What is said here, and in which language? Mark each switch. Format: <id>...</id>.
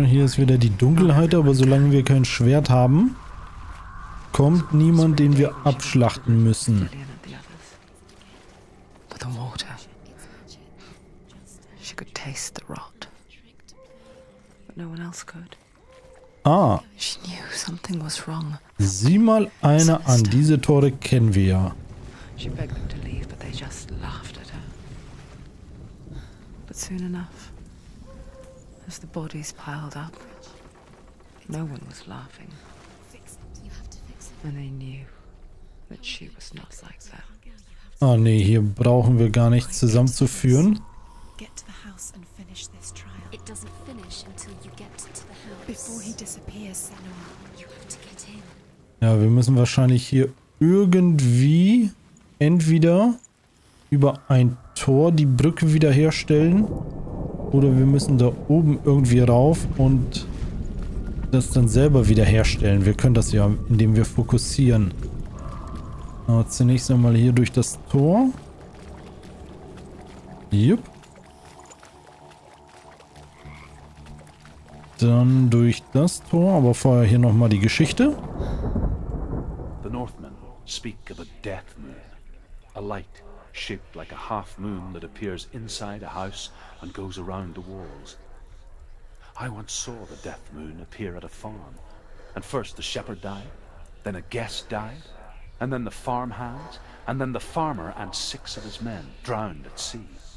<de>Hier ist wieder die Dunkelheit, aber solange wir kein Schwert haben, kommt niemand, den wir abschlachten müssen.</de> <en>But the water. She could taste the rot. But no one else could. Ah. She knew something was wrong.</en> <de>Sieh mal eine an, diese Tore kennen wir ja.</de> <en>She begged them to leave, but they just laughed at her. But soon enough, as the bodies piled up, no one was laughing. And they knew that she was not like that.</en> <de>Oh nee, hier brauchen wir gar nicht zusammenzuführen.</de> <en>Get to the house and finish this trial. It doesn't finish until you get to the house. Before he disappears, Senua, you have to get in.</en> <de>Ja, wir müssen wahrscheinlich hier irgendwie... entweder über ein Tor die Brücke wiederherstellen oder wir müssen da oben irgendwie rauf und das dann selber wiederherstellen. Wir können das ja, indem wir fokussieren. Aber zunächst einmal hier durch das Tor. Jupp. Dann durch das Tor, aber vorher hier nochmal die Geschichte.</de> <en>The Northmen speak of a death moon. A light shaped like a half moon that appears inside a house and goes around the walls. I once saw the death moon appear at a farm, and first the shepherd died, then a guest died, and then the farmhands, and then the farmer and six of his men drowned at sea.</en>